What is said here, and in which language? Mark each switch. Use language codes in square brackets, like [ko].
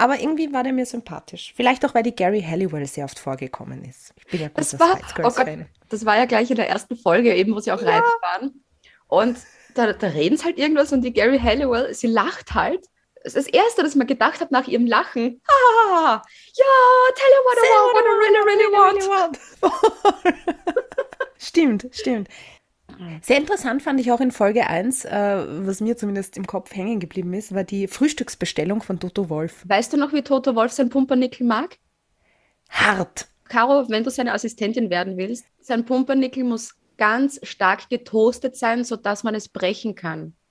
[de] Aber irgendwie war der mir sympathisch. Vielleicht auch, weil die Gary Halliwell sehr oft vorgekommen ist. Ich bin ja guter Spice Girls Fan. Das war ja gleich in der ersten Folge, eben wo sie auch reitet waren. Und da reden sie halt irgendwas und die Gary Halliwell, sie lacht halt. Das Erste, das man gedacht hat nach ihrem Lachen. [en] Ja, tell her what I really want. [de] Stimmt. Sehr interessant fand ich auch in Folge 1, was mir zumindest im Kopf hängen geblieben ist, war die Frühstücksbestellung von Toto Wolff. Weißt du noch, wie Toto Wolff sein Pumpernickel mag? Hart. Caro, wenn du seine Assistentin werden willst, sein Pumpernickel muss ganz stark getoastet sein, sodass man es brechen kann.